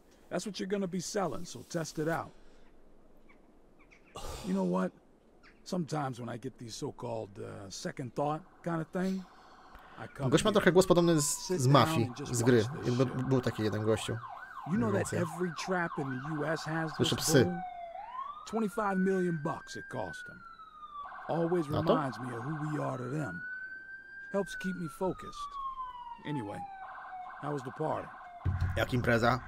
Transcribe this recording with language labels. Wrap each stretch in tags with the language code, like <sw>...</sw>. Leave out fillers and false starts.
<en>That's what you're gonna be selling, so test it out. You know what? Sometimes when I get these so-called second thought kind of thing, I come.</en> <pl>Gość ma trochę głos podobny z mafii, z gry. Był taki jeden gościu.</pl> <en>You know that every trap in the U.S. has this. 25 million bucks it cost them. Always reminds me of who we are to them. Helps keep me focused. Anyway, how was the party?</en> <pl>Jak impreza?</pl>